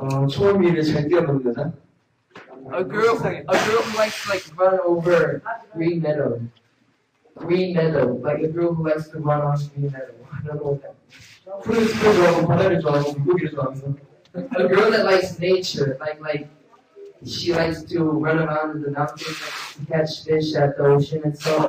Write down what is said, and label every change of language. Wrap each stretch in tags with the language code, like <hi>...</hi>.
<ko>처음 일을 잘 뛰어넘는 여자?</ko> <en>A girl who likes to like run over green meadow. Green meadow. Like a girl who likes to run on green meadow. I don't know what that means.</en> <ko>푸른 숲을 좋아하고 바다를 좋아하고 물고기를 좋아하면서.</ko> <en>A girl that likes nature. Like she likes to run around in the mountains and like, catch fish at the ocean and so.</en>